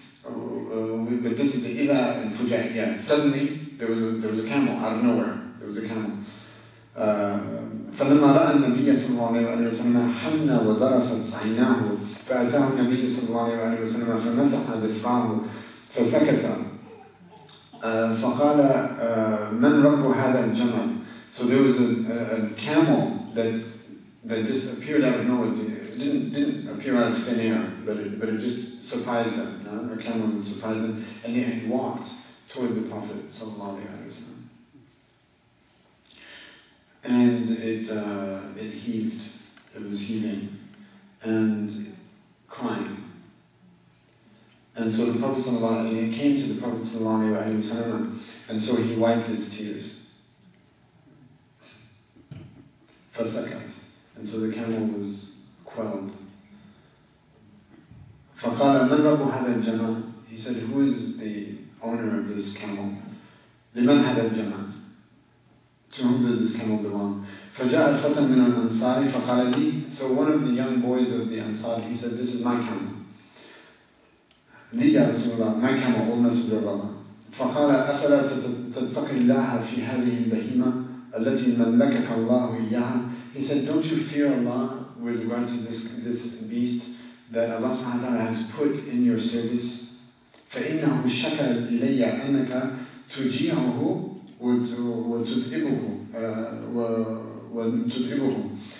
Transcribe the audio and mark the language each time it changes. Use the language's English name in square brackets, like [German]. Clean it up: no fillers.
[English] But this is the إذا الفجائية. Suddenly there was a camel out of nowhere. There was a camel. [Arabic] فلما رأى النبي صلى الله عليه وسلم حن وظرفت عيناه فأتاه النبي صلى الله عليه وسلم فمسح ذفراه فسكت فقال من رب هذا الجمل. [English] So there was a camel that just appeared out of nowhere. Didn't appear out of thin air, but it just surprised them. No? A camel surprised them, and then he walked toward the Prophet sallallahu alaihi wasallam, and it heaved. It was heaving and crying, and so the Prophet sallallahu alaihi wasallam came to the Prophet sallallahu alaihi wasallam, and so he wiped his tears. فسكت, and so the camel was quelled. [Arabic] فقال من رب هذا الجمال. [English] He said, "Who is the owner of this camel? لمن هذا الجمال? To whom does this camel belong?" [Arabic] فجاء الفتى من الأنصار فقال لي. [English] So one of the young boys of the Ansar, he said, "This is my camel. [Arabic] لي يا رسول الله, my camel, أول مسجد الله." فقال أفلا تتقي الله في هذه البهيمة التي ملكك الله إياها. [English] He said, "Don't you fear Allah with regard to this beast that Allah subhanahu wa ta'ala has put in your service?" [Arabic] فَإِنَّهُ شَكَى إِلَيَّ أَنَّكَ تُجِيعُهُ وَتُتْعِبُهُ.